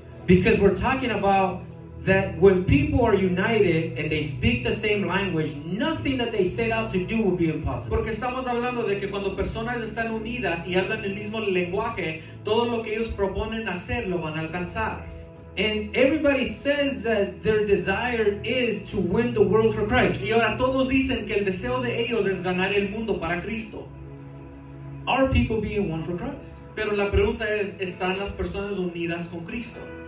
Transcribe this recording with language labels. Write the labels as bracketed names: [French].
[English] Because we're talking about that when people are united and they speak the same language, nothing that they set out to do will be impossible. [Spanish] Porque estamos hablando de que cuando personas están unidas y hablan el mismo lenguaje, todo lo que ellos proponen hacer lo van a alcanzar. [English] And everybody says that their desire is to win the world for Christ. [Spanish] Y ahora todos dicen que el deseo de ellos es ganar el mundo para Cristo. [English] Are people being one for Christ? [Spanish] Pero la pregunta es, ¿están las personas unidas con Cristo?